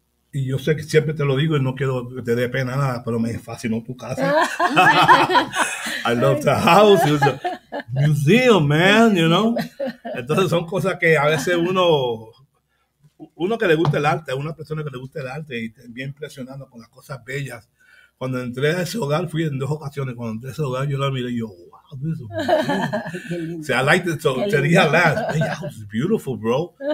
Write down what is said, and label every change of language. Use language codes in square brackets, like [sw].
[es] Y yo sé que siempre te lo digo y no quiero que te dé pena nada, pero me fascinó tu casa. [en] I love the house. It was a museum, man, you know. [es] Entonces son cosas que a veces uno que le gusta el arte, una persona que le gusta el arte y bien impresionado con las cosas bellas. Cuando entré a ese hogar, fui en dos ocasiones, cuando entré a ese hogar, yo la miré y yo, wow, this is beautiful. [en] See, I liked it, so te dije a Lance, hey, yeah, it's beautiful, bro.